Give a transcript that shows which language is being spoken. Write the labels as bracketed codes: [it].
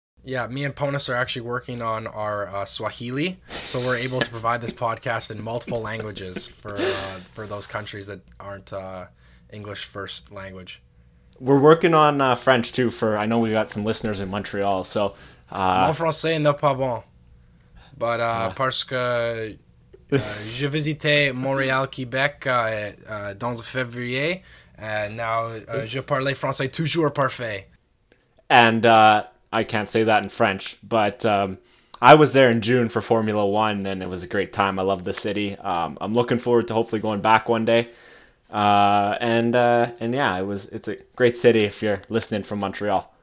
[en] Yeah, me and Ponus are actually working on our Swahili, so we're able to provide this podcast in multiple languages for those countries that aren't English first language. We're working on French too. I know we've got some listeners in Montreal, so [fr] mon français n'est pas bon, but parce que je visitais Montréal, Québec dans février, [en] and now [fr] je parle français toujours parfait. [en] And I can't say that in French, but I was there in June for Formula One, and it was a great time. I love the city. I'm looking forward to hopefully going back one day. And yeah, it's a great city if you're listening from Montreal.